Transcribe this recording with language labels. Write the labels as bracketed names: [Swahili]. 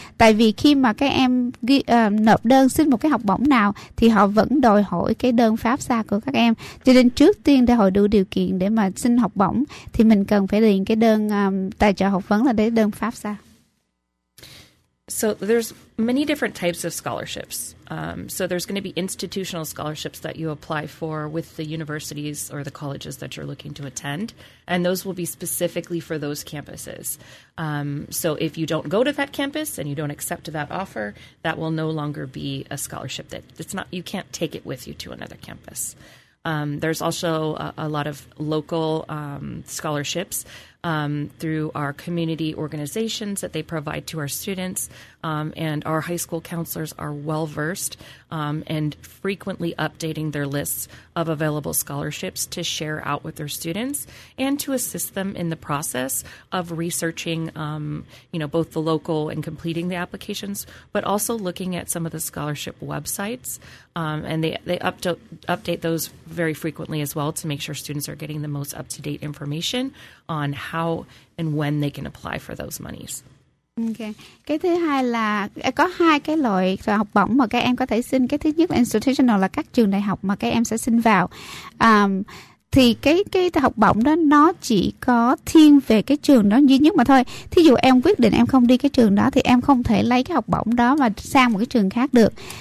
[Vietnamese] Tại vì khi mà các em nộp đơn xin một cái học bổng nào thì họ vẫn đòi hỏi cái đơn FAFSA của các em. Cho nên trước tiên để hội đủ điều kiện để mà xin học bổng thì mình cần phải điền cái đơn tài trợ học vấn là đấy đơn FAFSA. [English] So there's many different types of scholarships. So there's going to be institutional scholarships that you apply for with the universities or the colleges that you're looking to attend. And those will be specifically for those campuses. So if you don't go to that campus and you don't accept that offer, that will no longer be a scholarship that it's not, you can't take it with you to another campus. There's also a lot of local scholarships through our community organizations that they provide to our students, and our high school counselors are well-versed and frequently updating their lists of available scholarships to share out with their students and to assist them in the process of researching, you know, both the local and completing the applications, but also looking at some of the scholarship websites. And they update those very frequently as well to make sure students are getting the most up-to-date information on how and when they can apply for those monies. Okay. [Vietnamese] Cái thứ hai là có hai cái loại học bổng mà các em có thể xin. Cái thứ nhất là institutional là các trường đại học mà các em sẽ xin vào. Thì cái học bổng đó nó chỉ có thiên về cái trường đó duy nhất mà thôi. Thí dụ em quyết định em không đi cái trường đó thì em không thể lấy cái học bổng đó mà sang một cái trường khác được.